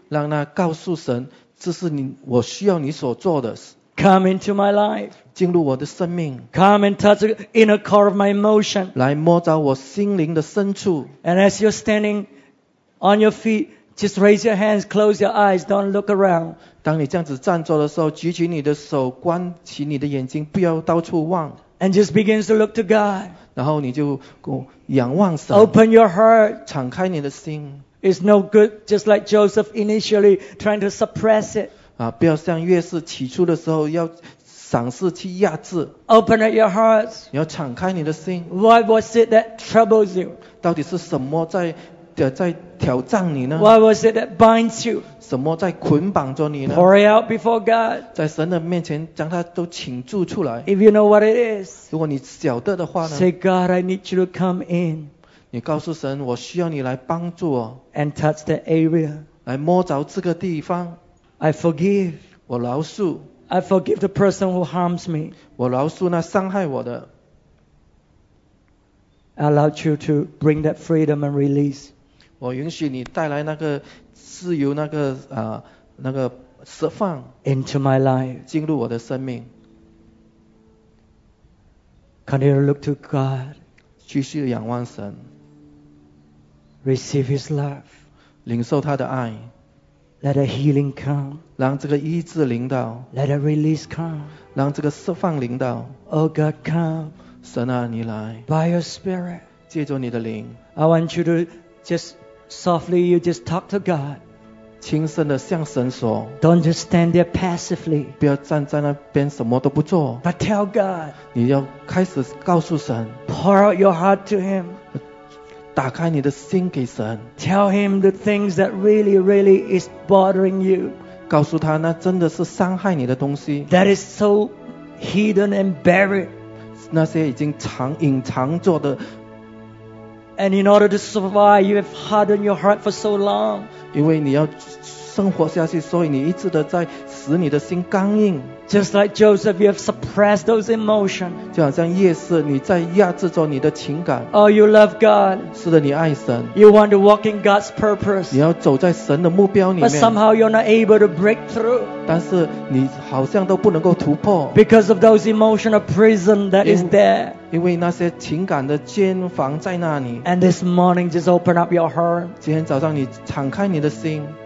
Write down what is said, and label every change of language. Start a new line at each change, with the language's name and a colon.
Chinese: 让他告诉神，这是你我需要你所做的。
English: Come into my life.
Chinese: 进入我的生命。
English: Come and touch the inner core of my emotion.
Chinese: 来摸着我心灵的深处。
English: And as you're standing on your feet, just raise your hands, close your eyes, don't look around.
Chinese: 当你这样子站着的时候，举起你的手，关起你的眼睛，不要到处望。
English: And just begins to look to God.
Chinese: 然后你就仰望神。
English: Open your heart.
Chinese: 敞开你的心。
English: It's no good, just like Joseph initially trying to suppress it.
Chinese: 不要像约瑟起初的时候要尝试去压制。
English: Open up your hearts.
Chinese: 你要敞开你的心。
English: What was it that troubles you?
Chinese: 到底是什么在挑战你呢
English: ？What was it that binds you？
Chinese: 什么在捆绑着你呢
English: ？Pour it out before God。
Chinese: 在神的面前将它都倾注出来。
English: If you know what it is，
Chinese: 如果你晓得的话呢
English: ？Say God， I need you to come in。
Chinese: 你告诉神，我需要你来帮助我。
English: And touch the area。
Chinese: 来摸着这个地方。
English: I forgive.
Chinese: 我饶恕。
English: I forgive the person who harms me.
Chinese: 我饶恕那伤害我的。
English: I allow you to bring that freedom and release.
Chinese: 我允许你带来那个自由，那个那个释放。
English: Into my life.
Chinese: 进入我的生命。
English: Continue to look to God.
Chinese: 继续仰望神。
English: Receive His love.
Chinese: 领受他的爱。
English: Let a healing come.
Chinese: 让这个医治临到。
English: Let a release come.
Chinese: 让这个释放临到。
English: Oh God, come.
Chinese: 神啊，你来。
English: By your spirit.
Chinese: 借着你的灵。
English: I want you to just softly, you just talk to God.
Chinese: 轻声地向神说。
English: Don't just stand there passively.
Chinese: 不要站在那边什么都不做。
English: But tell God.
Chinese: 你要开始告诉神。
English: Pour out your heart to Him.
Chinese: 打开你的心给神。
English: Tell him the things that really, really is bothering you.
Chinese: 告诉他那真的是伤害你的东西。
English: That is so hidden and buried.
Chinese: 那些已经藏隐藏着的。
English: And in order to survive, you have hardened your heart for so long.
Chinese: 因为你要生活下去，所以你一直的在使你的心刚硬。
English: Just like Joseph, you have suppressed those emotions.
Chinese: 就好像夜色，你在压制着你的情感。
English: Oh, you love God.
Chinese: 是的，你爱神。
English: You want to walk in God's purpose.
Chinese: 你要走在神的目标里面。
English: But somehow you're not able to break through.
Chinese: 但是你好像都不能够突破。
English: Because of those emotional prison that is there.
Chinese: 因为那些情感的监房在那里。
English: And this morning, just open up your heart.
Chinese: 今天早上你敞开你的心。